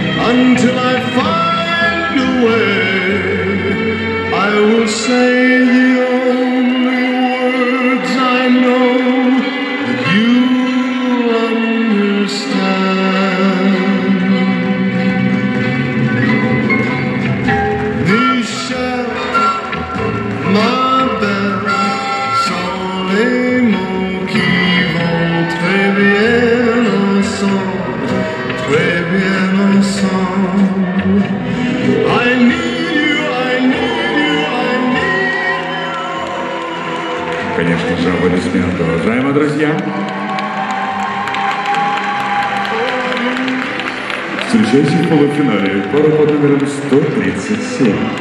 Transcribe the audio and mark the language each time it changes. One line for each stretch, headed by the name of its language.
English: Until I find a way, I will say the only words I know that you understand.
French: Michel, ma belle, sans les mots qui vont très bien ensemble, très bien ensemble.
English: I need you, I need you, I need you.
Russian: Конечно же, аплодисменты, уважаемые друзья. Встречайте в полуфинале пару под номером 137.